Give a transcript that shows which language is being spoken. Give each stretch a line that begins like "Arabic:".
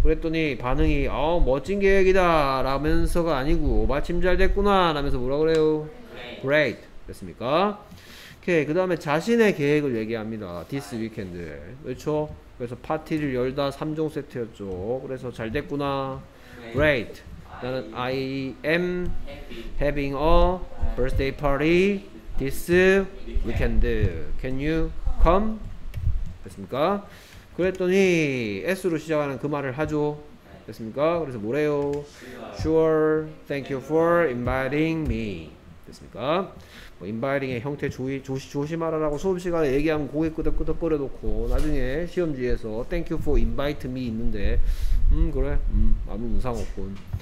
Korean: 그랬더니 반응이 어, 멋진 계획이다 라면서가 아니고 마침 잘 됐구나 라면서 뭐라 그래요?
English: Great.
Korean: 됐습니까? 오케이. 그 다음에 자신의 계획을 얘기합니다.
English: This weekend.
Korean: 그렇죠? 그래서 파티를 열다 3종 세트였죠. 그래서 잘 됐구나.
English: Great.
Korean: 나는
English: I am having a birthday party this weekend. Can you come?
Korean: 됐습니까? 그랬더니 S로 시작하는 그 말을 하죠. 됐습니까? 그래서 뭐래요?
English: Sure. Thank you for inviting me.
Korean: 됐습니까? 뭐 인바이링의 형태 조심하라라고 수업시간에 얘기하면 고개 끄덕끄덕거려 놓고 나중에 시험지에서
English: Thank you for invite me
Korean: 있는데 그래? 아무 문상 없군.